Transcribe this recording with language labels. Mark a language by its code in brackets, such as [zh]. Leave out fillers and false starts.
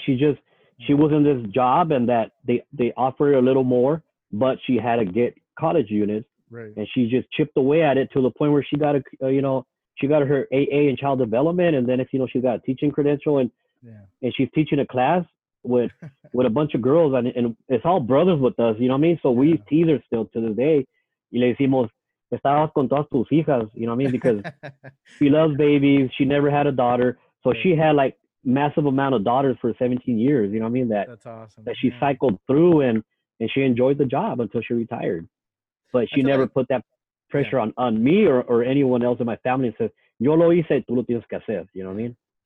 [en] She just, she was in this job and that they offered a little more, but she had to get college units. Right. And she just chipped away at it to the point where she got her AA in child development. And then, if you know, she got a teaching credential and she's teaching a class with a bunch of girls, and it's all brothers with us, you know what I mean? So we tease her still to this day. [es] Y le decimos, estabas con todas tus hijas, [en] you know what I mean? Because she loves babies. She never had a daughter. So she had like massive amount of daughters for 17 years, you know what I mean? That's awesome. She cycled through and she enjoyed the job until she retired. But she never put that pressure on me or anyone else in my family and said, [es] yo lo hice, tú lo tienes que hacer, [en] you know what I mean?